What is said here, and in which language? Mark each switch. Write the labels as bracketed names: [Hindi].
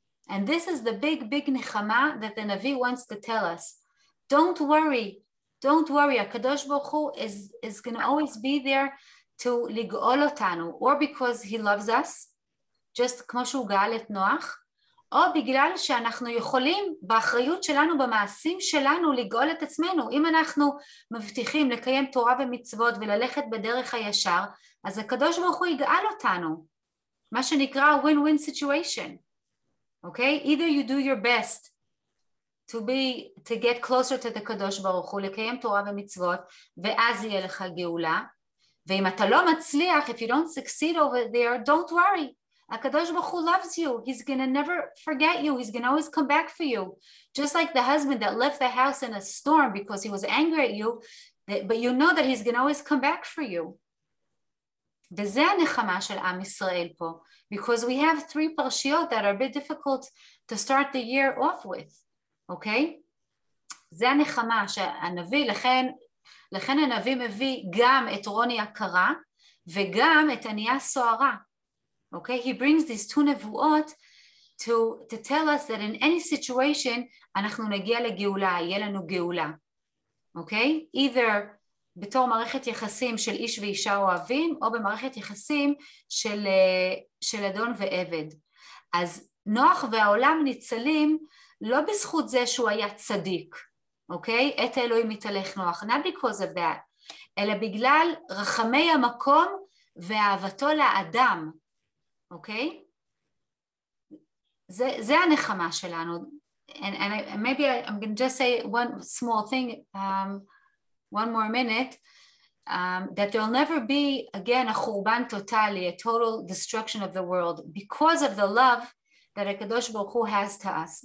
[English] And this is the big, big נחמה that the Navi wants to tell us. Don't worry. Don't worry. הקדוש ברוך הוא is going to always be there to [Hebrew] לגאול אותנו. [English] Or because he loves us, just [Hebrew] כמו שהוא גאל את נוח. או בגלל שאנחנו יכולים באחריות שלנו, במעשים שלנו, לגאול את עצמנו. אם אנחנו מבטיחים לקיים תורה ומצוות וללכת בדרך הישר, אז הקדוש ברוך הוא יגאל אותנו. מה שנקרא [English] win-win situation. Okay? Either you do your best to get closer to the קדוש ברוך הוא, [Hebrew] לקיים תורה ומצוות, ואז יהיה לך גאולה. ואם אתה לא מצליח, [English] if you don't succeed over there, don't worry. הקדוש ברוך הוא loves you. He's going to never forget you. He's going to always come back for you. Just like the husband that left the house in a storm because he was angry at you, but you know that he's going to always come back for you. [Hebrew] וזה הנחמה של עם ישראל פה. [English] Because we have three parshiyot that are a bit difficult to start the year off with. Okay? [Hebrew] זה הנחמה שהנביא, לכן הנביא מביא גם את רוני הקרה וגם את ענייה סוערה. [English] Okay, he brings these two nevuot to tell us that in any situation [Hebrew] אנחנו נגיע לגאולה, יהיה לנו גאולה. [English] Okay? [Hebrew] Either בתור מערכת יחסים של איש ואישה אוהבים או במערכת יחסים של אדון ועבד. אז נוח והעולם ניצלים לא בזכות זה שהוא היה צדיק. Okay? את האלוהים מתהלך נוח. [English] Not because of that. [Hebrew] אלא בגלל רחמי המקום ואהבתו לאדם. [English] Okay? [Hebrew] זה הנחמה שלנו. [English] And maybe I'm going to just say one small thing, one more minute, that there'll never be, again, a [Hebrew] חורבן טוטלי, [English] a total destruction of the world, because of the love that הקדוש ברוך הוא has to us.